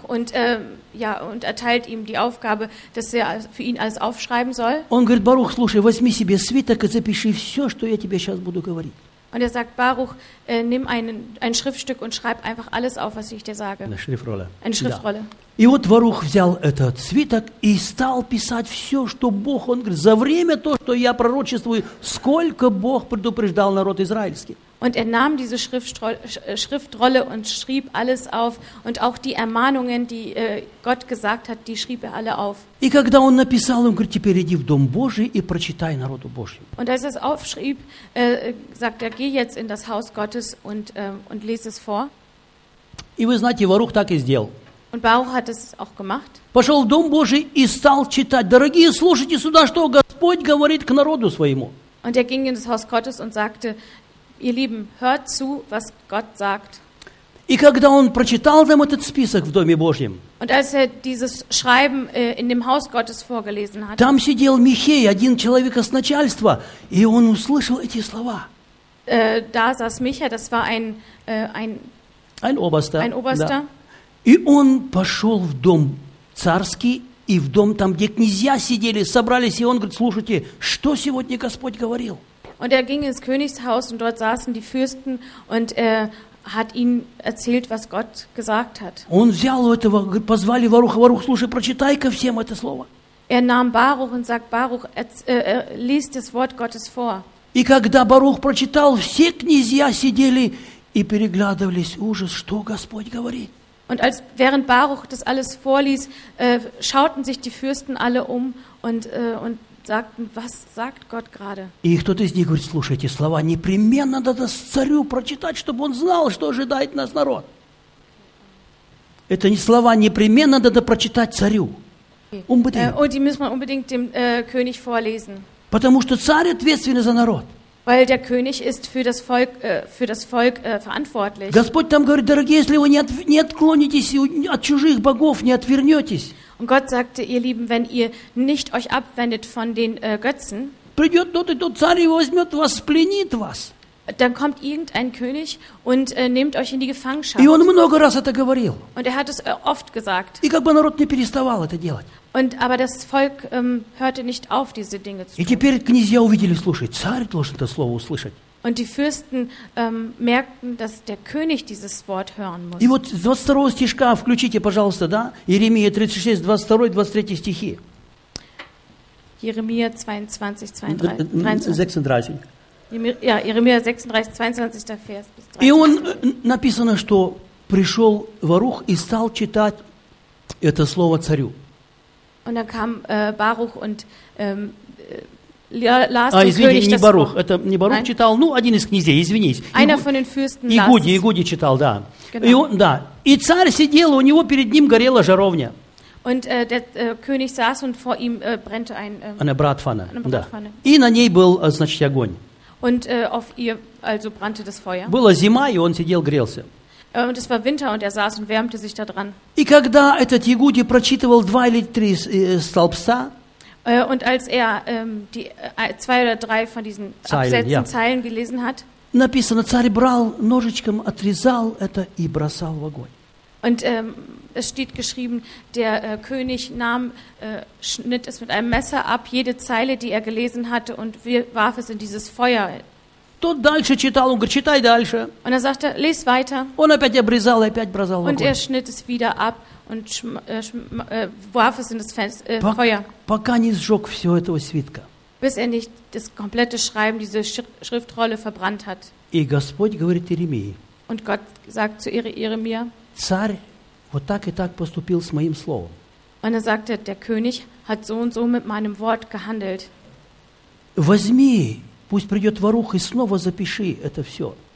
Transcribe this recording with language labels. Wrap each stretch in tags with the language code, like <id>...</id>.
<de>Und, ja, und erteilt ihm die Aufgabe, dass er für ihn alles aufschreiben soll.</de> <ru>Он говорит, Барух, слушай, возьми себе свиток и запиши все, что я тебе сейчас буду говорить.</ru> <de>Und er sagt, Baruch, nimm ein Schriftstück und schreib einfach alles auf, was ich dir sage. Eine Schriftrolle. Eine Schriftrolle.</de> <ru>И вот Варух взял этот свиток и стал писать все, что Бог, он говорит, за время то, что я пророчествую, сколько Бог предупреждал народ израильский.</ru> <de>Und er nahm diese Schriftrolle und schrieb alles auf und auch die Ermahnungen, die Gott gesagt hat, die schrieb er alle auf.</de> <ru>И когда он написал, он говорит, теперь иди в Дом Божий и прочитай народу Божьему.</ru> <de>Und als er es aufschrieb, sagt er, geh jetzt in das Haus Gottes und lese es vor.</de> <ru>И вы знаете, Варух так и сделал.</ru> <de>Und Baruch hat es auch gemacht.</de> <ru>Пошел в Дом Божий и стал читать. Дорогие, слушайте сюда, что Господь говорит к народу своему.</ru> <de>Und er ging in das Haus Gottes und sagte, ihr Lieben, hört zu, was Gott sagt.</de> <ru>И когда он прочитал там этот список в Доме Божьем,</ru> <de>und als er dieses Schreiben in dem Haus Gottes vorgelesen hat,</de> <ru>там сидел Михей, один человек из начальства, и он услышал эти слова.</ru> <de>Da saß Micha, das war ein Oberster. Ein Oberster. Да.</de> <ru>И он пошел в дом царский и в дом там, где князья сидели, собрались, и он говорит, слушайте, что сегодня Господь говорил?</ru> <de>Und er ging ins Königshaus und dort saßen die Fürsten und hat ihnen erzählt, was Gott gesagt hat.</de> <ru>Он взял этого, позвали Варуха, Варух, слушай, прочитай-ка всем это слово.</ru> <de>Er nahm Baruch und sagt, Baruch, lies das Wort Gottes vor.</de> <ru>И когда Барух прочитал, все князья сидели и переглядывались, ужас, что Господь говорит?</ru> <de>Und als während Baruch das alles vorließ, schauten sich die Fürsten alle um und sagten, was sagt Gott gerade?</de> <ru>И кто-то из них говорит, слушай, эти слова непременно надо царю прочитать, чтобы он знал, что ожидает нас народ. Это не слова, непременно надо прочитать царю.</ru> <de>Unbedingt. Die müssen wir unbedingt dem König vorlesen.</de> <ru>Потому что царь ответственный за народ.</ru> <de>Weil der König ist für das Volk verantwortlich.</de> <ru>Господь там говорит, дорогие, если вы не отклонитесь от чужих богов, не отвернетесь.</ru> <de>Und Gott sagte, ihr Lieben, wenn ihr nicht euch abwendet von den Götzen,</de> <ru>придет тот и тот царь и возьмет вас, пленит вас.</ru> <de>Dann kommt irgendein König und nimmt euch in die Gefangenschaft.</de> <ru>И он много раз это говорил.</ru> <de>Und er hat es oft gesagt.</de> <ru>И как бы народ не переставал это делать.</ru> <de>Und aber das Volk hörte nicht auf, diese Dinge zu tun.</de> <ru>И теперь князья увидели, слушай, царь должен это слово услышать.</ru> <de>Und die Fürsten merkten, dass der König dieses Wort hören muss.</de> <ru>И вот 22 стишка включите, пожалуйста, да? Иеремия 36, 22, 23 стихи. Иеремия 22, 23. 36.</ru> <de>Ja, Иеремия 36, 22, der Vers.</de> <ru>И он написано, что пришел Варух и стал читать это слово царю.</ru> <de>Und dann kam Baruch und las dem König das Wort.</de> <ru>Не Барух, это не Барух читал, ну, один из князей, извинись.</ru> <de>Einer von den Fürsten las.</de> <ru>Игуди читал, да.</ru> <de>Genau.</de> <ru>И царь сидел, у него перед ним горела жаровня.</ru> <de>Und der König saß und vor ihm brennte eine Bratpfanne. Да.</de> <ru>И на ней был, значит, огонь.</ru> <de>Und auf ihr also brannte das Feuer.</de> <ru>Была зима, и он сидел, грелся.</ru> <de>Und es war Winter und er saß und wärmte sich da dran.</de> <ru>И когда этот Игуди прочитывал два или три столбца,</ru> <de>und als er die zwei oder drei von diesen Absätzen, Zeilen gelesen hat,</de> <ru>написано, царь брал ножичком, отрезал это и бросал в огонь.</ru> <de>Und es steht geschrieben, der König nahm, schnitt es mit einem Messer ab, jede Zeile, die er gelesen hatte, und warf es in dieses Feuer.</de> <ru>Тот дальше читал, он говорит, читай дальше.</ru> <de>Und er sagte, lies weiter.</de> <ru>Он опять обрезал и опять бросал в огонь.</ru> <de>Und er schnitt es wieder ab und warf es in das Feuer.</de> <ru>Пока не сжег все этого свитка.</ru> <de>Bis er nicht das komplette Schreiben, diese Schriftrolle verbrannt hat.</de> <ru>И Господь говорит Иеремии.</ru> <de>Und Gott sagt zu Иеремии.</de> <ru>Царь вот так и так поступил с моим словом.</ru> <de>Und er sagte, der König hat so und so mit meinem Wort gehandelt.</de> <ru>Возьми. Пусть придет Варух и снова запиши это все.</ru>